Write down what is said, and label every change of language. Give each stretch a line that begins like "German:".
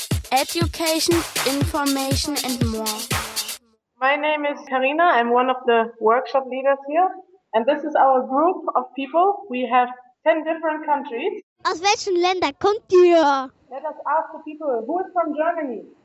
English: Education, information and more. My name is Karina. I'm one of the workshop leaders here. And this is our group of people. We have 10 different countries.
German: Aus welchen Ländern kommt ihr?
English: Let us ask the people, who is from Germany?